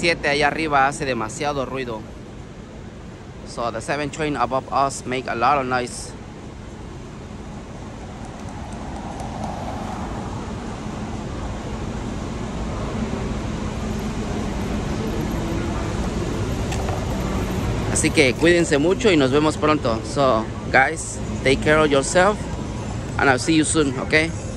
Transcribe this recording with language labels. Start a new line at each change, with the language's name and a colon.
Spanish: Allá arriba hace demasiado ruido.
English: So the 7 train above us make a lot of noise.
Spanish: Así que cuídense mucho y nos vemos pronto.
English: So guys, take care of yourself and I'll see you soon, okay?